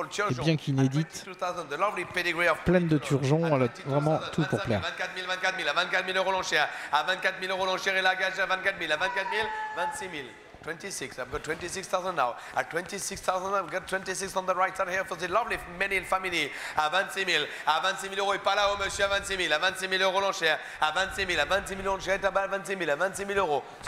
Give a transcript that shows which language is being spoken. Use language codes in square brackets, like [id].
[fr] Et bien qu'inédite, pleine de Turgeon, elle a vraiment tout pour plaire. 24 000, à 24 000 euros l'enchère. À 24 000 euros l'enchère et la gage à 24 000, à 24 000, 26 000. [en] 26, I've got 26,000 now. At 26,000, I've got 26 on the right side here for the lovely Menil family. [fr] À 26 000, à 26 000 euros, et pas là-haut, monsieur, à 26 000, à 26 000 euros l'enchère. À 26 000, à 26 000 euros l'enchère, et là-bas, à 26 000, à 26 000 euros.